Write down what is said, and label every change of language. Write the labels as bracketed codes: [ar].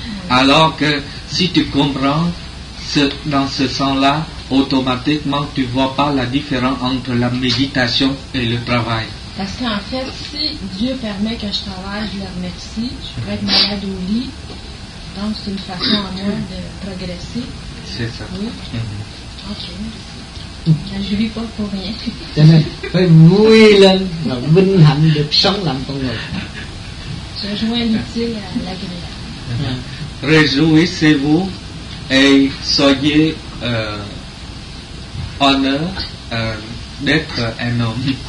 [fr] Alors que si tu comprends ce, dans ce sens-là, automatiquement tu ne vois pas la différence entre la méditation et le travail. Parce qu'en fait, si Dieu permet que je travaille, je le remercie, je pourrais être malade au lit. Donc, c'est une façon à moi de progresser. C'est ça. Oui. Mm-hmm. Ok, merci. Là, je ne vis pas pour rien. [vi] Cho nên, phải vui lên là vinh hạnh được sống làm con người. [fr] Je joins l'utile à l'agréable. Réjouissez-vous et soyez honneur d'être un homme.